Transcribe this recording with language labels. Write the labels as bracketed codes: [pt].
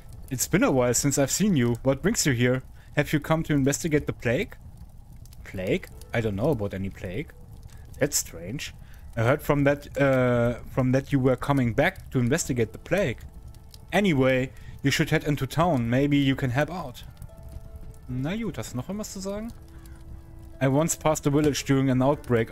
[en] It's been a while since I've seen you. What brings you here? Have you come to investigate the plague? Plague? I don't know about any plague. That's strange. I heard from that you were coming back to investigate the plague. Anyway, you should head into town. Maybe you can help out. [de] Na gut, hast du noch irgendwas zu sagen? [en] I once passed the village during an outbreak.